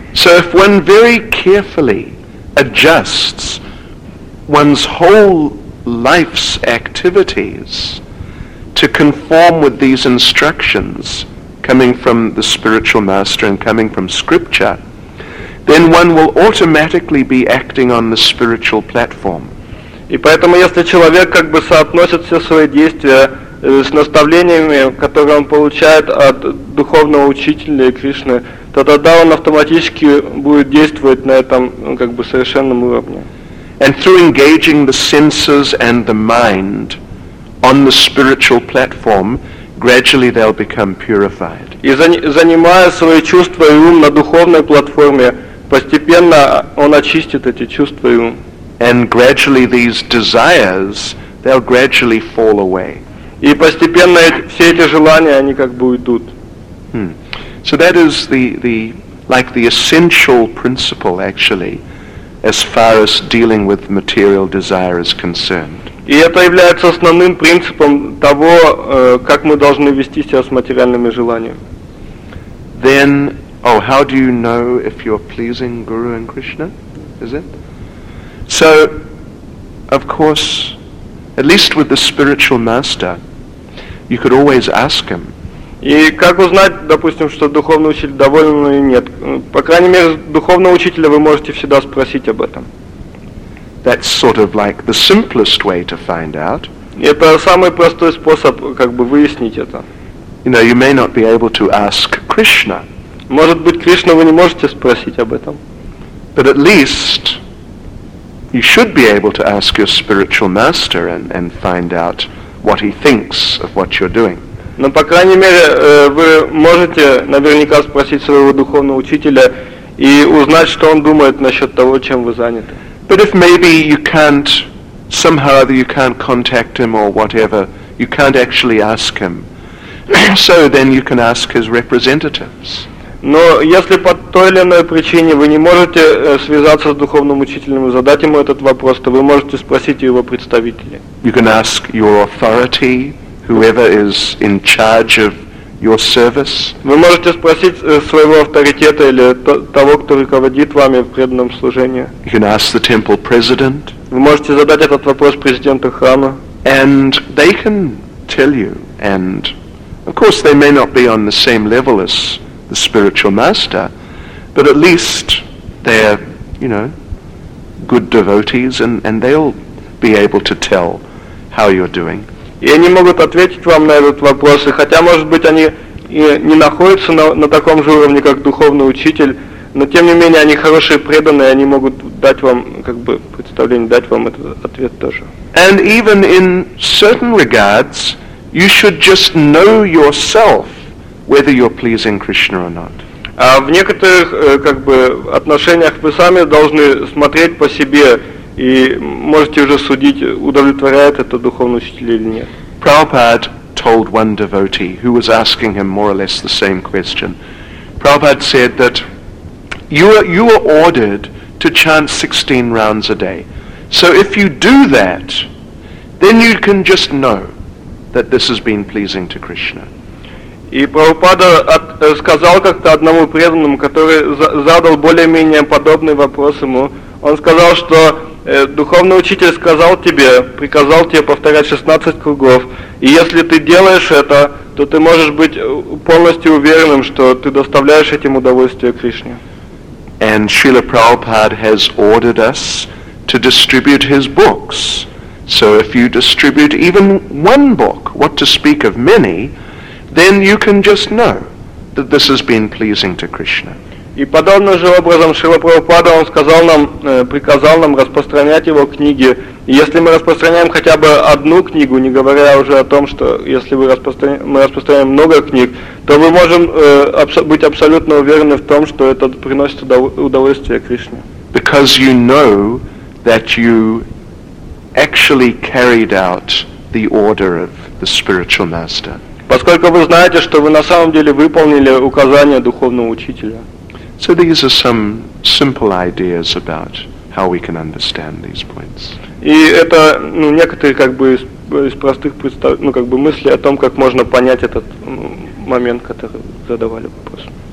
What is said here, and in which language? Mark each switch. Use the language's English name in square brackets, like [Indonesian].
[English] So if one very carefully adjusts one's whole life's activities to conform with these instructions coming from the spiritual master and coming from scripture, then one will automatically be acting on the spiritual platform. [Russian] И поэтому, если человек как бы соотносит все свои действия с наставлениями, которые он получает от духовного учителя и Кришны, то тогда он автоматически будет действовать на этом как бы совершенном уровне. [English] And through engaging the senses and the mind on the spiritual platform, gradually they'll become purified. [Russian] И занимая свои чувства и ум на духовной платформе, постепенно он очистит эти чувства и ум. [English] And gradually these desires, they'll gradually fall away. [Russian] И постепенно все эти желания, они как бы уйдут. [English] So that is the like the essential principle actually, as far as dealing with material desire is concerned. [Russian] И это является основным принципом того, как мы должны вести себя с материальными желаниями. [English] Then, oh, how do you know if you're pleasing Guru and Krishna? Is it? So, of course, at least with the spiritual master, you could always ask him. [Russian] И как узнать, допустим, что духовный учитель доволен или нет? По крайней мере, духовного учителя вы можете всегда спросить об этом. [English] That's sort of like the simplest way to find out. [Russian] Это самый простой способ как бы выяснить это. [English] You know, you may not be able to ask Krishna. [Russian] Может быть, Кришну вы не можете спросить об этом. [English] But at least you should be able to ask your spiritual master and find out what he thinks of what you're doing. [Russian] Но, по крайней мере, вы можете наверняка спросить своего духовного учителя и узнать, что он думает насчет того, чем вы заняты. [English] But if maybe you can't, somehow you can't contact him or whatever, you can't actually ask him, so then you can ask his representatives. [Russian] Но если по той или иной причине вы не можете связаться с духовным учителем и задать ему этот вопрос, то вы можете спросить его представителей. [English] You can ask your authority, whoever is in charge of your service. [Russian] Вы можете спросить своего авторитета или того, кто руководит вами в преданном служении. [English] You can ask the temple president. [Russian] Вы можете задать этот вопрос президенту храма. [English] And they can tell you. And of course, they may not be on the same level as the spiritual master, but at least they're, you know, good devotees, and they'll be able to tell how you're doing. [Russian] И они могут ответить вам на этот вопрос, и хотя, может быть, они и не находятся на таком же уровне, как духовный учитель, но тем не менее они хорошие преданные, они могут дать вам как бы представление, дать вам этот ответ тоже. [English] And even in certain regards, you should just know yourself whether you're pleasing Krishna or not. [Russian] А в некоторых как бы отношениях вы сами должны смотреть по себе и можете уже судить, удовлетворяет это духовный учитель или нет. [English] Prabhupada told one devotee who was asking him more or less the same question. Prabhupada said that you are ordered to chant 16 rounds a day. So if you do that, then you can just know that this has been pleasing to Krishna. [Russian] И Прабхупада сказал как-то одному преданному, который задал более-менее подобный вопрос ему, он сказал, что духовный учитель сказал тебе, приказал тебе повторять 16 кругов, и если ты делаешь это, то ты можешь быть полностью уверенным, что ты доставляешь этим удовольствие Кришне. [English] And Srila Prabhupada has ordered us to distribute his books. So if you distribute even one book, what to speak of many, then you can just know that this has been pleasing to Krishna. [Russian] И подобным же образом Шрила Прабхупада, он сказал нам, приказал нам распространять его книги. И если мы распространяем хотя бы одну книгу, не говоря уже о том, что если мы распространяем много книг, то мы можем быть абсолютно уверены в том, что это приносит удовольствие Кришне. [English] Because you know that you actually carried out the order of the spiritual master. [Russian] Поскольку вы знаете, что вы на самом деле выполнили указания духовного учителя. [English] So these are some simple ideas about how we can understand these points. [Russian] И это некоторые как бы из простых мысли о том, как можно понять этот момент, который задавали вопрос.